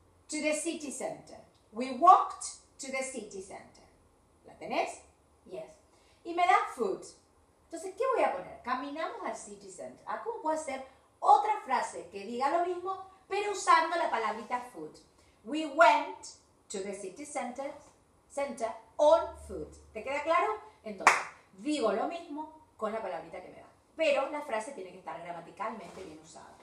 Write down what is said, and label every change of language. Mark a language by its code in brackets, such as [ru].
[en] To the city center. We walked to the city center. [es] ¿La tenés? [en] Yes. [es] Y me da [en] food. [es] Entonces, ¿qué voy a poner? Caminamos al city center. ¿A cómo puedo hacer otra frase que diga lo mismo, pero usando la palabrita food? [en] We went to the city center on food. [es] ¿Te queda claro? Entonces, digo lo mismo con la palabrita que me da. Pero la frase tiene que estar gramaticalmente bien usada.